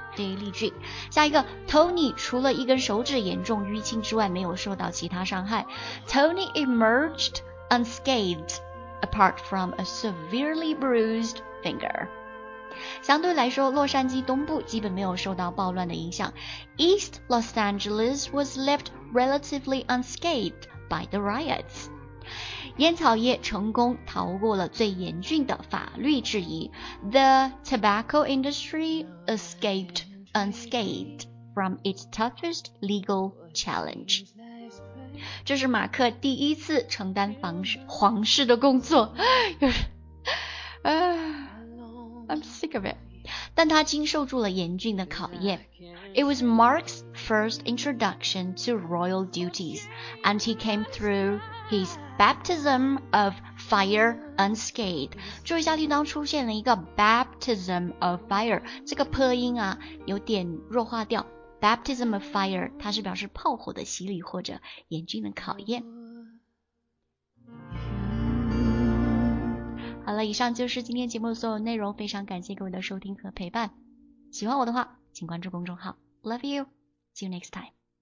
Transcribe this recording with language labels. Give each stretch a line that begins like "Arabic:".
Chinese: 这一例句，下一个 Tony 除了一根手指严重淤青之外没有受到其他伤害。
English: Tony emerged unscathed apart from a severely bruised finger。
Chinese: 相对来说，洛杉矶东部基本没有受到暴乱的影响。
English: East Los Angeles was left relatively unscathed by the riots。
Chinese: 烟草业成功逃过了最严峻的法律质疑。
English: The tobacco industry escaped unscathed from its toughest legal challenge。
Chinese: 这是马克第一次承担皇室的工作。
English: I'm sick of it.
Chinese: 但他经受住了严峻的考验。
English: It was Mark's first introduction to royal duties, and he came through his baptism of fire unscathed.
Chinese: 注意一下，地当出现了一个 baptism of fire， 这个破音啊，有点弱化掉。 Baptism of fire， 它是表示炮火的洗礼或者严峻的考验。好了，以上就是今天节目的所有内容，非常感谢各位的收听和陪伴。喜欢我的话，请关注公众号。
English: Love you. See you next time.